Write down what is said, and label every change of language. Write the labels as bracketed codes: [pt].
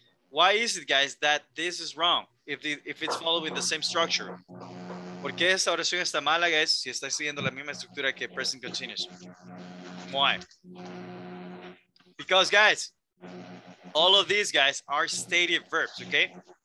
[en] Why is it, guys, that this is wrong if it's following the same structure? [es] ¿Por qué esta oración está mala, guys, si está siguiendo la misma estructura que present continuous? [en] Why? Because, guys, all of these, guys, are stative verbs, okay?